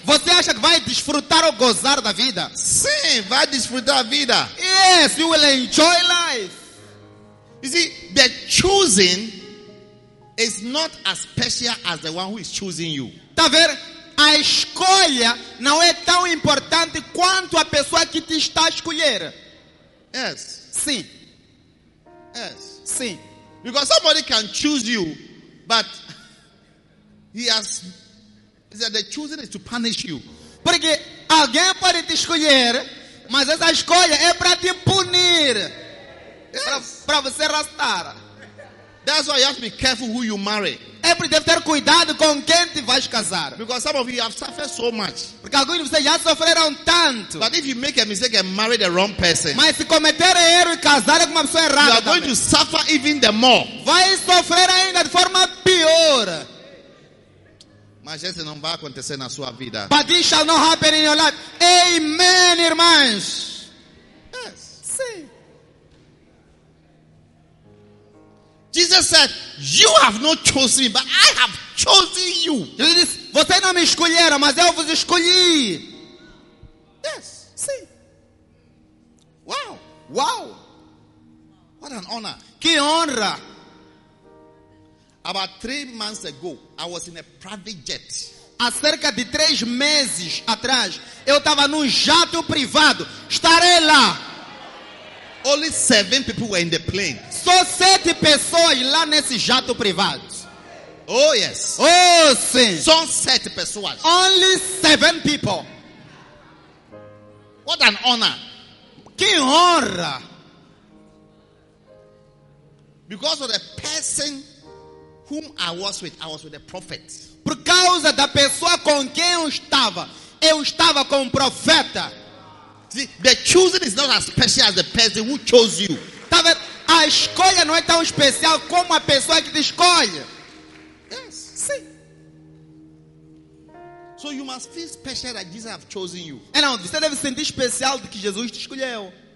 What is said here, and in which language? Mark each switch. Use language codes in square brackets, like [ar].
[pt] Você acha que vai desfrutar ou gozar da vida? Sim, vai desfrutar a vida. [en] Yes, you will enjoy life. You see, the choosing is not as special as the one who is choosing you. [pt] Tá vendo? A escolha não é tão importante quanto a pessoa que te está a escolher. [en] Yes. [pt] Sim. [en] Yes. [pt] Sim. [en] Because somebody can choose you, but he has that the choosing is to punish you. [pt] Porque alguém pode te escolher, mas essa escolha é para te punir. [en] Yes. [pt] Para você arrastar. [en] That's why you have to be careful who you marry. [pt] É para deve ter cuidado com quem te vais casar. [en] Because some of you have suffered so much. [pt] Porque alguns de vocês já sofreram tanto. [en] But if you make a mistake and marry the wrong person. [pt] Mas se cometer erro e casar com uma pessoa errada. [en] You are going [pt] também [en] to suffer even the more. [pt] Vai sofrer ainda de forma pior. Mas isso não vai acontecer na sua vida. [en] But it shall not happen in your life. [pt] Amen, irmãs. [en] Yes. [pt] Sim. [en] Jesus said, "You have not chosen me, but I have chosen you." [pt] Jesus disse, vocês não me escolheram, mas eu vos escolhi. [en] Yes. [pt] Sim. Wow. Wow. [en] What an honor. [pt] Que honra. [en] About 3 months ago, I was in a private jet. [pt] Há cerca de 3 meses atrás, eu estava num jato privado. Estarei lá. [en] Only 7 people were in the plane. [pt] Só 7 pessoas lá nesse jato privado. [en] Oh, yes. [pt] Oh, sim. Só 7 pessoas. [en] Only 7 people. What an honor. [pt] Que honra. [en] Because of the person whom I was with a prophet. [pt] Por causa da pessoa com quem eu estava com um profeta. [en] See, the choosing is not as special as the person who chose you. [pt] Tá vendo? A escolha não é tão especial como a pessoa que te escolhe. [en] Yes. [pt] Sim. [en] So you must feel special that Jesus has chosen you. [pt] É, não, você deve sentir especial de que Jesus te escolheu.